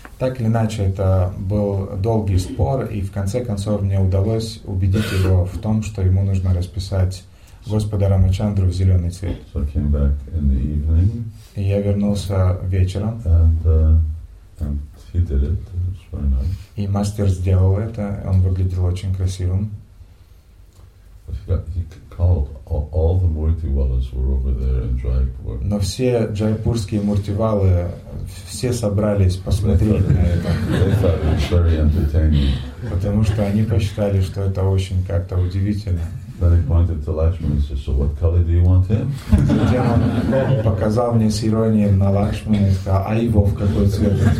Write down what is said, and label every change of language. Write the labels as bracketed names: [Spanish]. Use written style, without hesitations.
[Russian] Так или иначе, это был долгий спор, и в конце концов мне удалось убедить его в том, что ему нужно расписать Господа Рамачандру в зеленый цвет. [English] So I came back in the evening, [Russian] и я вернулся вечером, [English] and he did it. It was very nice. [Russian] И мастер сделал это, он выглядел очень красивым. [English] All the Murtiwalas were over there in Jaipur. [Russian] Но все джайпурские муртивалы все собрались посмотреть на это. [English] They thought it was very entertaining. [Russian] Потому что они посчитали, что это очень как-то удивительно. [English] Then he pointed to Lakshmana and said, "So what color do you want him?" [Russian] Затем он показал мне с иронией на Лакшмана и сказал, "А его в какой цвет?"